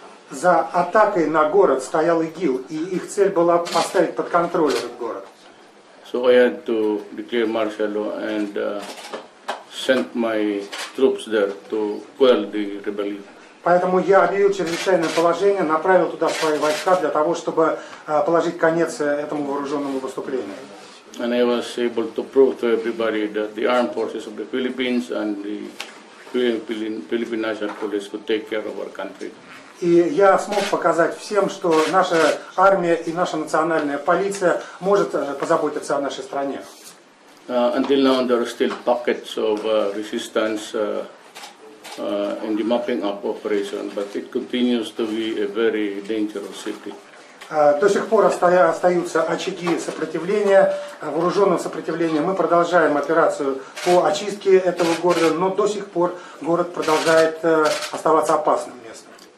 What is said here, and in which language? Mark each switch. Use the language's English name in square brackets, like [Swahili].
[Russian] За атакой на город стоял ИГИЛ, и их цель была поставить под контроль этот город. [English] So I had to declare martial law and sent my troops there to quell the rebellion. [Russian] Поэтому я объявил чрезвычайное положение, направил туда свои войска для того, чтобы положить конец этому вооруженному выступлению. [English] And I was able to prove to everybody that the armed forces of the Philippines and the Philippine National Police could take care of our country. [Russian] И я смог показать всем, что наша армия и наша национальная полиция может позаботиться о нашей стране. [English] Until now there are still pockets of resistance in the mopping up operation, but it continues to be a very dangerous city. [Russian] До сих пор остаются очаги сопротивления, вооруженного сопротивления. Мы продолжаем операцию по очистке этого города, но до сих пор город продолжает оставаться опасным местом.